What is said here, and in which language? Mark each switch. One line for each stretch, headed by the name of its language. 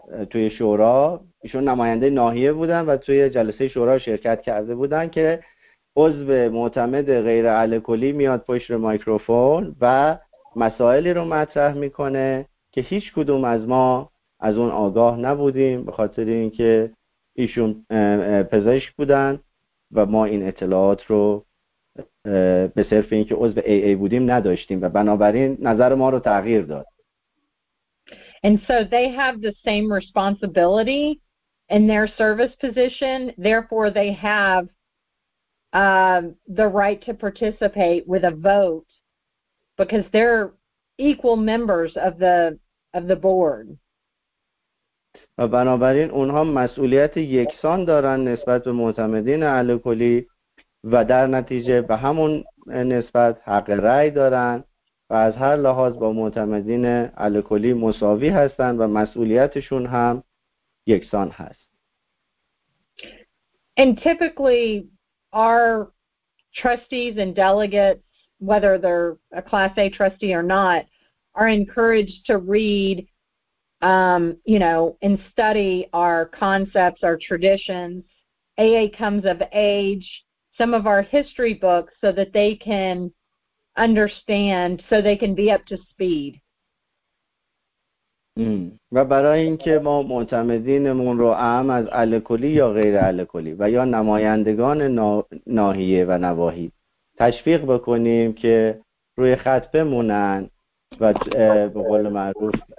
Persian: توی شورا، ایشون نماینده ناحیه بودن و توی جلسه شورا شرکت کرده بودن، که عضو معتمد غیر الکلی میاد پشت مایکروفون و مسائلی رو مطرح میکنه که هیچ کدوم از ما از اون آگاه نبودیم، به خاطر اینکه ایشون پزشک بودن و ما این اطلاعات رو به صرف اینکه عضو ای ای بودیم نداشتیم و بنابراین نظر ما رو تغییر داد.
English: And so they have the same responsibility in their service position, therefore they have the right to participate with a vote because they're equal members of the board.
Persian: و بنابراین اونها مسئولیت یکسان دارن نسبت به معتمدین الکلی و در نتیجه به همون نسبت حق رأی دارن و از هر لحاظ با معتمدین الکلی مساوی هستن و مسئولیتشون هم یکسان هست.
English: And typically our trustees and delegates, whether they're a class A trustee or not, are encouraged to read and study our concepts, our traditions. AA comes of age, some of our history books, so that they can understand, so they can be up to speed.
Persian: و برای اینکه ما معتمدینمون رو اهم از الکلی یا غیر الکلی و یا نمایندگان ناحیه و نواحی تشویق بکنیم که روی خط بمونن و به قول معروف